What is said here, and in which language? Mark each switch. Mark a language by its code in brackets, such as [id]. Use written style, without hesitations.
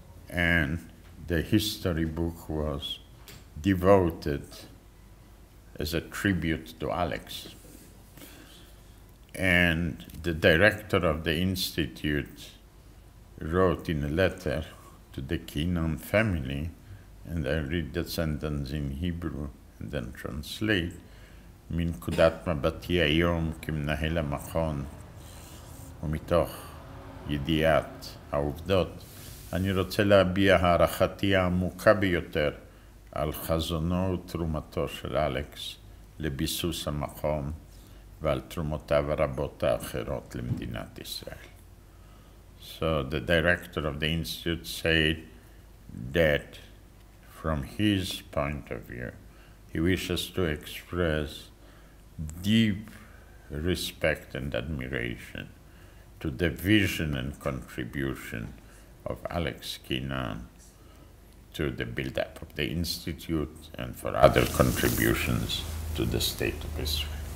[en] And the history book was devoted as a tribute to Alex. And the director of the institute wrote in a letter to the Keynan family, and I read the sentence in Hebrew and then translate. [he] מנקודת מבטי היום כמנהל המכון ומתוך ידיעת העובדות, אני רוצה להביע הערכתי העמוקה ביותר על חזונו ותרומתו של אלכס לביסוס המכון ועל תרומותיו הרבות האחרות למדינת ישראל. [en] So the director of the institute said that from his point of view, he wishes to express deep respect and admiration to the vision and contribution of Alex Keynan to the build-up of the institute and for other contributions to the state of Israel.